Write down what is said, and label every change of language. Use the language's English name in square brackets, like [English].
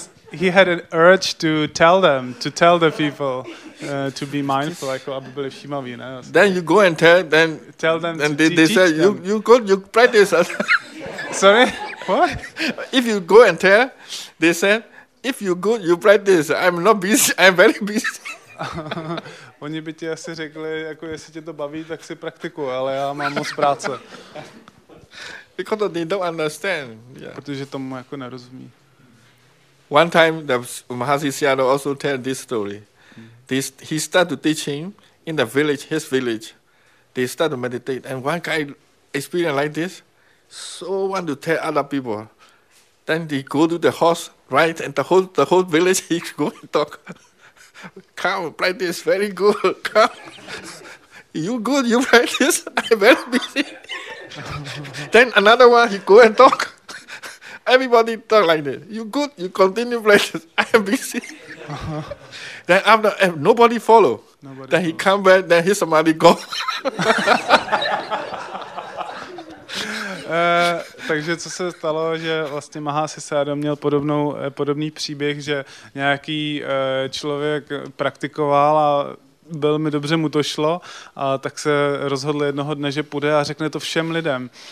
[English] He had an urge to tell them, to tell the people, to be mindful, like, [Czech] aby byli všímaví, ne? [English] Then you go and tell them, and they say, you good, you practice. Sorry? What? If you go and tell, they say, if you good, you practice. I'm not busy, I'm very busy. [Czech] Oni by ti asi řekli, jako jestli tě to baví, tak si praktikuj, ale já mám moc práce. [English] Because they don't understand. Yeah. [Czech] Protože tomu jako nerozumí. [English] One time, the Mahasi Siyado also tell this story. This he started to teach him in the village, his village. They start to meditate, and one guy experience like this, so want to tell other people. Then they go to the horse, right, and the whole village he go and talk. Come, practice, very good. Come, you good, you practice. I'm very busy. Then another one, he go and talk. Everybody talk like this. You good, you continue playing. I'm busy. Then after, nobody follow. Nobody then follow. He come back, then his samadhi gone. [Czech] Takže co se stalo, že vlastně Mahasi Sayadaw měl podobný příběh, že nějaký člověk praktikoval a velmi dobře mu to šlo, a tak se rozhodl jednoho dne, že půjde a řekne to všem lidem.